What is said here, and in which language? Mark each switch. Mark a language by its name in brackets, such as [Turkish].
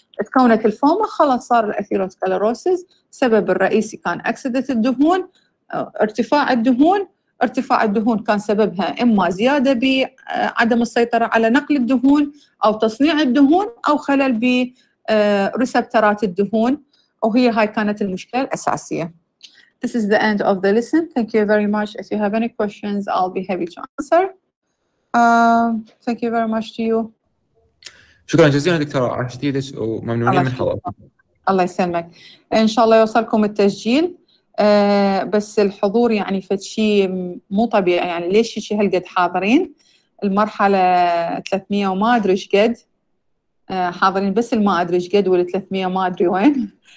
[Arabic] تكونت الفوما خلاص، صار الأثيروسكلروسيس. سبب الرئيسي كان أكسدة الدهون، ارتفاع الدهون. ارتفاع الدهون كان سببها إما زيادة بعدم السيطرة على نقل الدهون أو تصنيع الدهون أو خلل بريسبترات الدهون، وهي هاي كانت المشكلة الأساسية. [English] This is the end of the lesson. Thank you very much. If you have any questions, I'll be happy to answer. Thank you very much to you. [Arabic] شكرا جزيلا دكتورة على جديدك وممنونين من حضورك. الله يسلمك. إن شاء الله يوصلكم التسجيل. بس الحضور يعني فتشي مو طبيعي، يعني ليش شي هالقد حاضرين؟ المرحلة 300 وما أدري إيش قد حاضرين، بس ما أدري إيش قد وال 300 ما أدري وين.